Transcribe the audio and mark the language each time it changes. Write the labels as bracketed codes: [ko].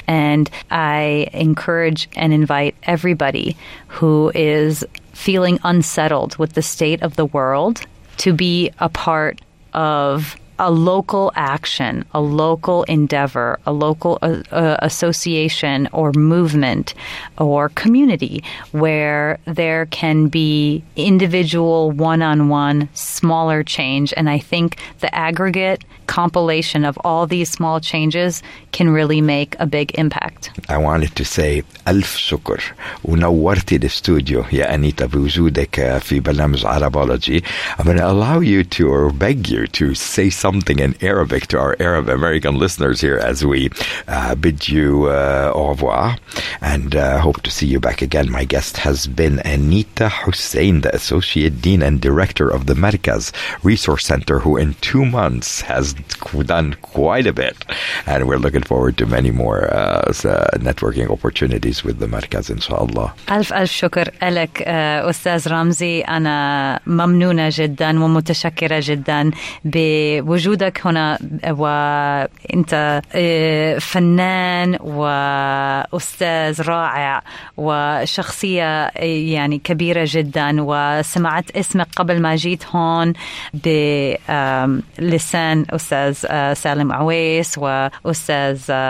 [en] And I encourage and invite everybody who is feeling unsettled with the state of the world to be a part of a local action, a local endeavor, a local association or movement or community where there can be individual one-on-one smaller change. And I think the aggregate compilation of all these small changes can really make a big impact. I wanted to say [ar] ألف شكر ونورتي الاستوديو يا أنيتا بوجودك في برنامج عربولوجي. [en] I'm going to allow you to or beg you to say something in Arabic to our Arab American listeners here as we bid you au revoir and hope to see you back again. My guest has been Anita Husen, the Associate Dean and Director of the Markaz Resource Center, who in 2 months has done quite a bit, and we're looking forward to many more networking opportunities with the Markaz, inshallah. [ar] ألف ألف شكر لك أستاذ رمزي. أنا ممنونة جدا ومتشكرة جدا بوجودك هنا, وأنت فنان وأستاذ رائع وشخصية يعني كبيرة جدا, وسمعت اسمك قبل ما جيت هون بلسان أستاذ سالم عويس وأستاذ